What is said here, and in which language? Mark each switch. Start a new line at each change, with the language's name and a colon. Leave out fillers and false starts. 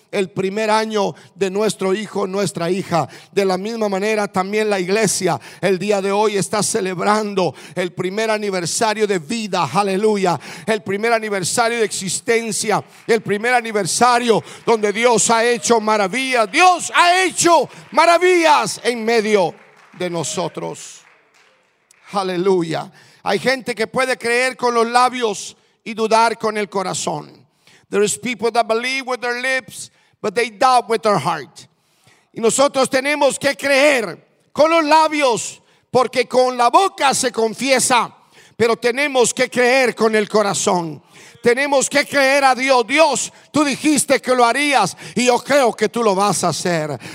Spanish: el primer año de nuestro hijo, nuestra hija. De la misma manera también la iglesia el día de hoy está celebrando el primer aniversario de vida, aleluya, el primer aniversario de existencia, el primer aniversario donde Dios ha hecho maravillas. Dios ha hecho maravillas en medio de nosotros, aleluya. Hay gente que puede creer con los labios y dudar con el corazón.
English: There is people that believe with their lips, but they doubt with their heart.
Spanish: Y nosotros tenemos que creer con los labios, porque con la boca se confiesa, pero tenemos que creer con el corazón. Tenemos que creer a Dios. Dios, tú dijiste que lo harías y yo creo que tú lo vas a hacer.